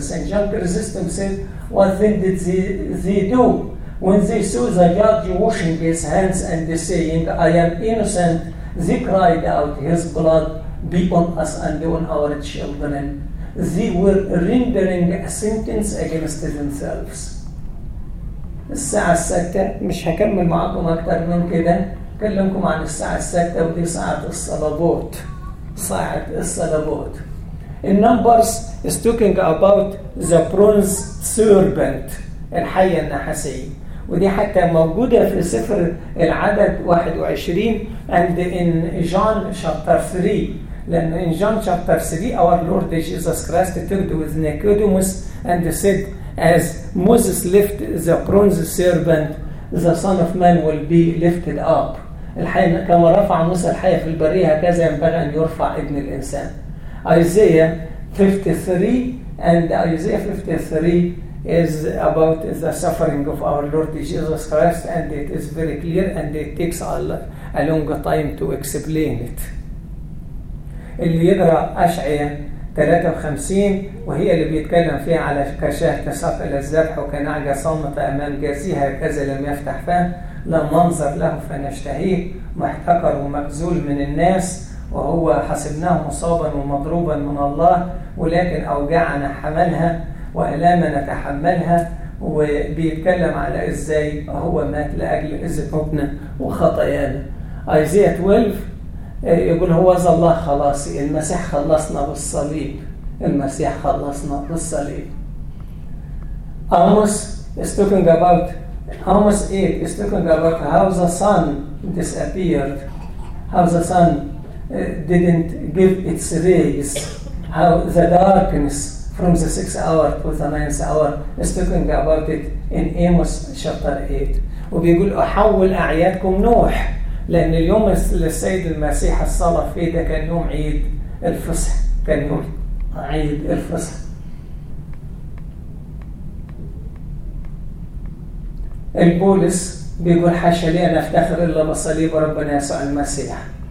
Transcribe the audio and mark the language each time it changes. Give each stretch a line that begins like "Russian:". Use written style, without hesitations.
English: Saint John Chrysostom said, what then did they do when they saw the judge washing his hands and saying, I am innocent? They cried out, his blood be on us and on our children. They were rendering a sentence against themselves.
Arabic: الساعة السادسة، مش هكمل معكم أكتر من كده، أكلمكم عن الساعة السادسة، ودي ساعة الصلابوت. ساعة الصلابوت.
English: In Numbers is talking about the bronze serpent،
Arabic: الحية النحاسية. ودي حتى موجودة في سفر العدد 21
English: and in John chapter 3. Then in John chapter 3, our Lord Jesus Christ talked with Nicodemus and said, as Moses lifted the bronze serpent, the Son of Man will be lifted up.
Arabic: الحين كما رفع موسى الحية في البرية هكذا ينبغي أن يرفع ابن الإنسان.
English: Isaiah 53 and Isaiah 53 is about the suffering of our Lord Jesus Christ and it is very clear and it takes a long time to explain it.
Arabic: اللي يقرأ أشعية 53 وهي اللي بيتكلم فيها على كشاه تساق إلى الذبح وكنعجة صامتة أمام جازيها كذا لم يفتح فم لا منظر له فنشتهيه محتقر ومبذول من الناس وهو حسبناه مصابا ومضروبا من الله ولكن أوجاعنا حملها وألامنا تحملها وبيتكلم على إزاي هو مات لأجل ذنوبنا وخطايانا. Isaiah 12 يقول هو ذا الله خلاصي المسيح خلصنا بالصليب المسيح خلصنا بالصليب.
English: Amos is talking about Amos 8 is talking about how the sun disappeared, how the sun didn't give its rays, how the darkness from the 6th hour to the 9th hour is talking about it in Amos chapter 8.
Arabic: وبيقول أحول أعيادكم نوح لأن اليوم للسيد المسيح الصلاة فيه ده كان يوم عيد الفصح كان يوم عيد الفصح. البولس بيقول حاشا لي أنا أفتخر إلا بصليب ربنا يسوع المسيح.